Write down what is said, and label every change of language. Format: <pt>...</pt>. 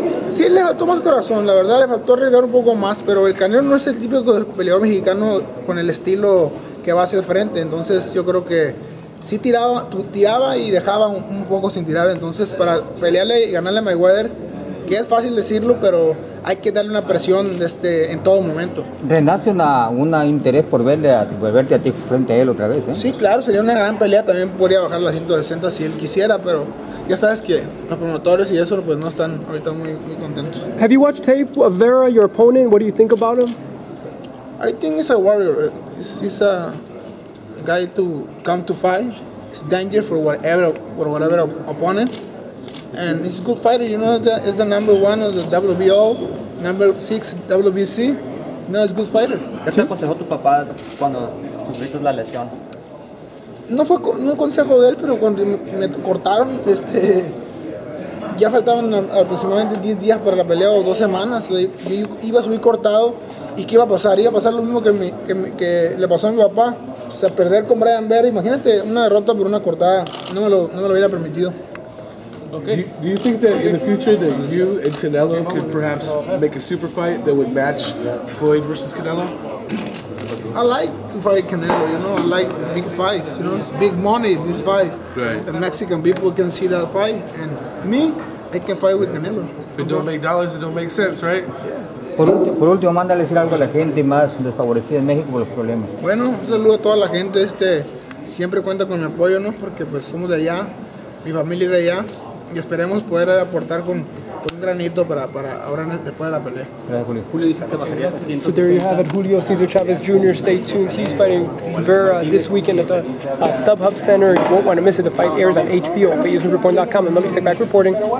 <es>Sí, le faltó más corazón, la verdad, le faltó arriesgar un poco más, pero el Canelo no es el típico peleador mexicano con el estilo que va hacia el frente, entonces yo creo que sí tiraba y dejaba un poco sin tirar, entonces para pelearle y ganarle a Mayweather, que es fácil decirlo, pero hay que darle una presión en todo momento. ¿Renace un interés por verte a ti frente a él otra vez? Sí, claro, sería una gran pelea. También podría bajar la 160 si él quisiera, pero ya sabes que los promotores y eso pues no están ahorita muy, muy contentos.</es> <en>Have you watched tape of Vera, your opponent? What do you think about him? I think he's a warrior. He's a guy to come to fight. He's dangerous for whatever opponent. And he's a good fighter, you know, he's the number one of the WBO, number six WBC, no, he's a good fighter.</en> <es>¿Qué te aconsejó tu papá cuando sufriste la lesión? No fue un consejo de él, pero cuando me cortaron, ya faltaban aproximadamente 10 días para la pelea o 2 semanas, yo iba a subir cortado, ¿y qué iba a pasar? Iba a pasar lo mismo que le pasó a mi papá, o sea, perder con Brian Vera, imagínate, una derrota por una cortada, no me lo hubiera permitido.</es> <en>Okay. Do you think that in the future that you and Canelo could perhaps make a super fight that would match Floyd versus Canelo? I like to fight Canelo, you know, I like the big fights, you know, it's big money, this fight. Right. The Mexican people can see that fight, and me, I can fight with Canelo. If it don't make dollars, it don't make sense, right? Yeah.</en> <es>Por último, mándale decir algo a la gente más desfavorecida en México por los problemas. Bueno, un saludo a toda la gente, siempre cuenta con mi apoyo, ¿no? Porque pues somos de allá, mi familia es de allá. Y esperemos poder aportar con un granito para ahora después de la pelea. Gracias, Julio. Julio dice que bajaría a 160.</es> <en>So there you have it, Julio Cesar Chavez Jr. Stay tuned. He's fighting Vera this weekend at the StubHub Center. You won't want to miss it. The fight airs on HBO. FightUsReport.com. And let me stick back reporting.</en>